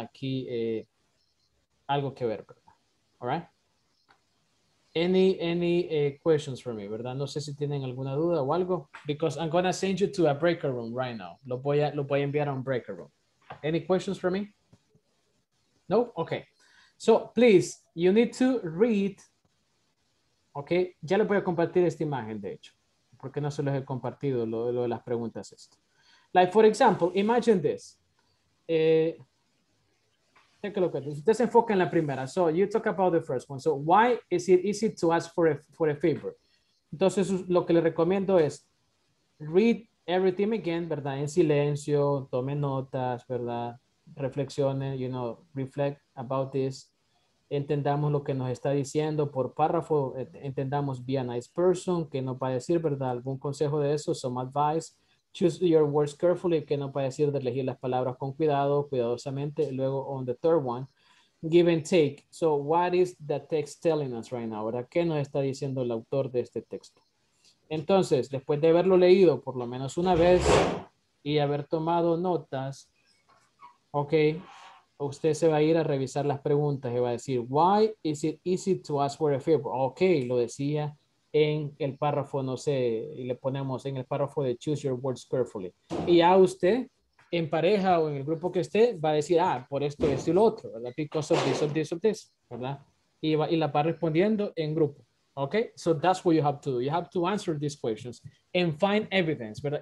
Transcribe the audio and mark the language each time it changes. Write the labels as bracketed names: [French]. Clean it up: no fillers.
[Spanish] Aquí algo que ver, ¿verdad? [English] All right. Any questions for me, [Spanish] ¿verdad? No sé si tienen alguna duda o algo. [English] Because I'm going to send you to a breaker room right now. [Spanish] Lo voy a enviar a un [English] breaker room. Any questions for me? No? Okay. So, please, you need to read. Okay. [Spanish] Ya les voy a compartir esta imagen, de hecho. Porque no se los he compartido lo de las preguntas esto. [English] Like, for example, imagine this. Take a look at this. Just [Spanish] enfoca en la primera. [English] So you talk about the first one. So why is it easy to ask for a favor? [Spanish] Entonces, lo que le recomiendo es [English] read everything again, [Spanish] ¿verdad? En silencio, tome notas, ¿verdad? Reflexione, [English] you know, reflect about this. [Spanish] Entendamos lo que nos está diciendo por párrafo. Entendamos, [English] be a nice person, [Spanish] que no va a decir, ¿verdad? Algún consejo de eso, [English] some advice. Choose your words carefully, [Spanish] que no puede decir de elegir las palabras con cuidado, cuidadosamente. [English] Luego, on the third one, give and take. So, what is the text telling us right now? [Spanish] ¿Verdad? ¿Qué nos está diciendo el autor de este texto? Entonces, después de haberlo leído por lo menos una vez y haber tomado notas, ok, usted se va a ir a revisar las preguntas y va a decir, [English] why is it easy to ask for a favor? [Spanish] Ok, lo decía en el párrafo, no sé, y le ponemos en el párrafo de [English] choose your words carefully. [Spanish] Y ya usted, en pareja o en el grupo que esté, va a decir, ah, por esto, esto y lo otro, ¿verdad? [English] Because of this, [Spanish] ¿verdad? Y la va respondiendo en grupo, ¿ok? [English] So that's what you have to do. You have to answer these questions and find evidence, [Spanish] ¿verdad?